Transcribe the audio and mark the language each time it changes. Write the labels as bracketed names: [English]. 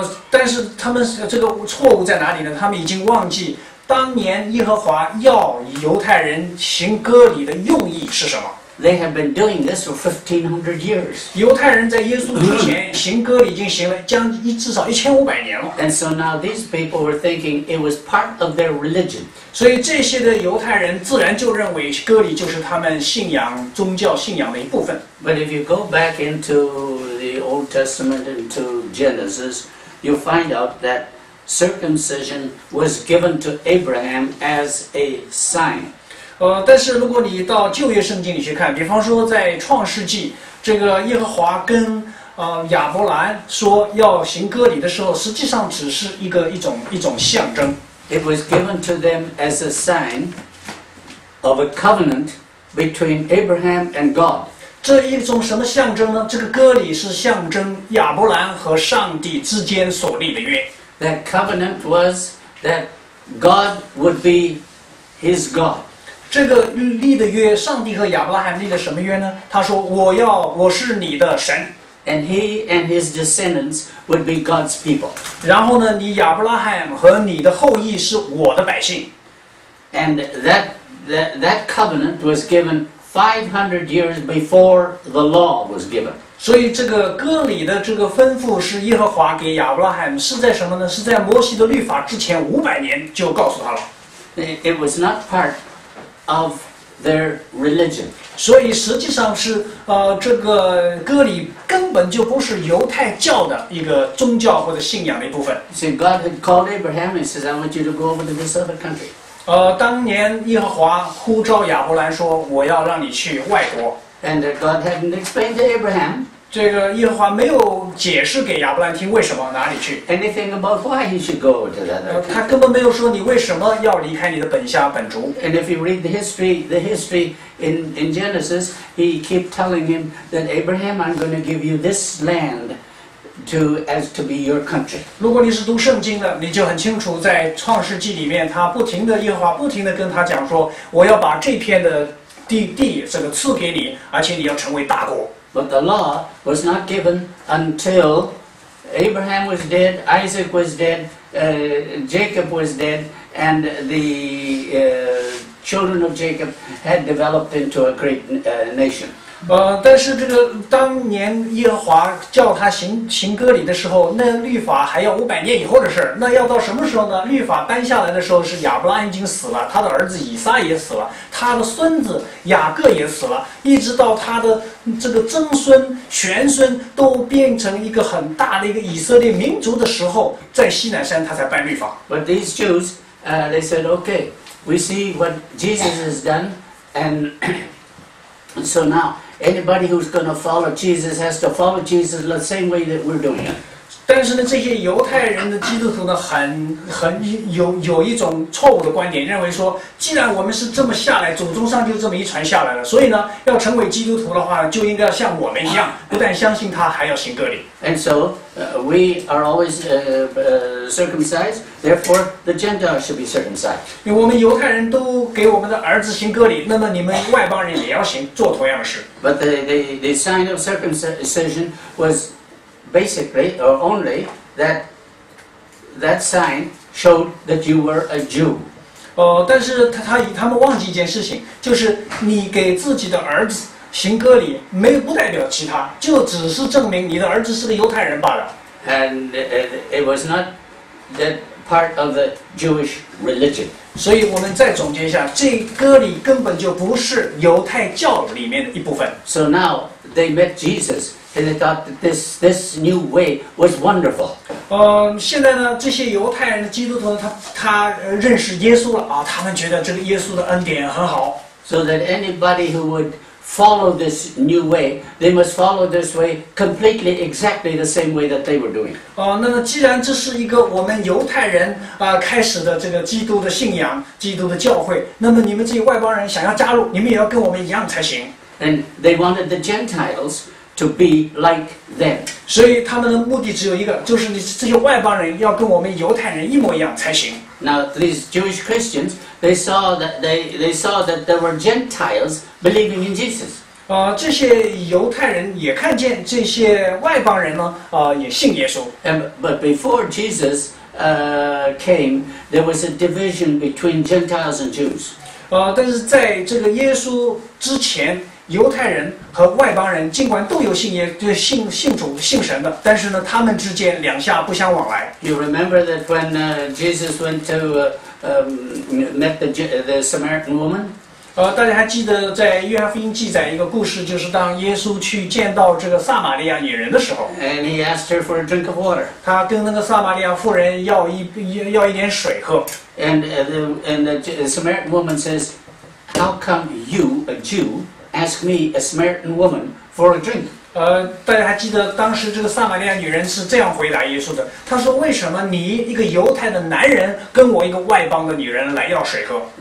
[Chinese] 但是他们这个错误在哪里呢？他们已经忘记当年耶和华要犹太人行割礼的用意是什么。 [English] They have been doing this for 1500 years. [Chinese] 犹太人在耶稣之前行割礼已经行了至少1500年了。 [English] And so now these people were thinking it was part of their religion. [Chinese] 所以这些的犹太人自然就认为割礼就是他们信仰宗教信仰的一部分。 [English] But if you go back into the Old Testament, into Genesis, you find out that circumcision was given to Abraham as a sign. [Chinese] 但是如果你到旧约圣经里去看，比方说在创世纪，这个耶和华跟亚伯兰说要行割礼的时候，实际上只是一种象征。 [English] It was given to them as a sign of a covenant between Abraham and God. [Chinese] 这一种什么象征呢？这个割礼是象征亚伯兰和上帝之间所立的约。 [English] That covenant was that God would be his God. [Chinese] 这个立的约，上帝和亚伯拉罕立的什么约呢？他说，我是你的神。 [English] And he and his descendants would be God's people. [Chinese] 然后呢，你亚伯拉罕和你的后裔是我的百姓。 [English] And that covenant was given 500 years before the law was given. [Chinese] 所以这个割礼的这个吩咐是耶和华给亚伯拉罕，是在什么呢？是在摩西的律法之前500年就告诉他了。 [English] It was not part of their religion. [Chinese] 所以实际上是这个割礼根本就不是犹太教的一个宗教或者信仰的一部分。 [English] So God had called Abraham and said, I want you to go over to this other country. [Chinese] 当年耶和华呼召亚伯兰说，我要让你去外国。 [English] And God hadn't explained to Abraham. [Chinese] 这个耶和华没有解释给亚伯兰听为什么哪里去。 [English] Anything about why he should go to that other country. [Chinese] 他根本没有说你为什么要离开你的本乡本族。 [English] And if you read the history in Genesis, he kept telling him that Abraham, I'm going to give you this land. As to be your country. [Chinese] 如果你是读圣经的，你就很清楚，在创世纪里面，他不停的耶和华不停的跟他讲说，我要把这片的地这个赐给你，而且你要成为大国。 [English] But the law was not given until Abraham was dead, Isaac was dead, Jacob was dead, and the children of Jacob had developed into a great nation. [Chinese] 但是这个当年耶和华叫他行割礼的时候，那律法还要500年以后的事，那要到什么时候呢？律法颁下来的时候是亚伯拉罕已经死了，他的儿子以撒也死了，他的孙子雅各也死了，一直到他的这个曾孙玄孙都变成一个很大的一个以色列民族的时候，在西乃山他才颁律法。 [English] But these Jews, they said, okay, we see what Jesus has done, and so nowAnybody who's going to follow Jesus has to follow Jesus the same way that we're doing it. [Chinese] 但是呢，这些犹太人的基督徒呢，很有一种错误的观点，认为说，既然我们是这么下来，祖宗上就这么遗传下来了，所以呢，要成为基督徒的话，就应该像我们一样，不但相信他，还要行割礼。 [English] And so we are always circumcised. Therefore, the Gentiles should be circumcised. [Chinese] 我们犹太人都给我们的儿子行割礼，那么你们外邦人也要行，做同样的事。 [English] But the sign of circumcision was. Basically, or only that sign showed that you were a Jew. [Chinese] 但是他们忘记一件事情，就是你给自己的儿子行割礼，没不代表其他，就只是证明你的儿子是个犹太人罢了。 [English] And it was not that part of the Jewish religion. [Chinese] 所以我们再总结一下，这割礼根本就不是犹太教里面的一部分。 [English] So now they met Jesus. And they thought that this new way was wonderful. [Chinese] 现在呢，这些犹太人的基督徒，他认识耶稣了啊，他们觉得这个耶稣的恩典很好。 [English] So that anybody who would follow this new way, they must follow this way completely, exactly the same way that they were doing. [Chinese] 那么既然这是一个我们犹太人开始的这个基督的信仰、基督的教会，那么你们这些外邦人想要加入，你们也要跟我们一样才行。 [English] And they wanted the Gentiles. To be like them. [Chinese] 所以他们的目的只有一个，就是你这些外邦人要跟我们犹太人一模一样才行。 [English] Now these Jewish Christians, they saw that they saw that there were Gentiles believing in Jesus. [Chinese] 这些犹太人也看见这些外邦人呢，也信耶稣。 [English] But before Jesus came, there was a division between Gentiles and Jews. [Chinese] 但是在这个耶稣之前。犹太人和外邦人尽管都有信主信神的，但是呢，他们之间两下不相往来。 [English] You remember that when Jesus went to met the Samaritan woman? [Chinese] 大家还记得在约翰福音记载一个故事，就是当耶稣去见到这个撒玛利亚女人的时候。 [English] And he asked her for a drink of water. [Chinese] 他跟那个撒玛利亚妇人要一点水喝。 [English] And the Samaritan woman says, "How come you, a Jew, ask me, a Samaritan woman, for a drink?" [Chinese] 大家还记得当时这个撒玛利亚女人是这样回答耶稣的，她说为什么你一个犹太的男人跟我一个外邦的女人来要水喝？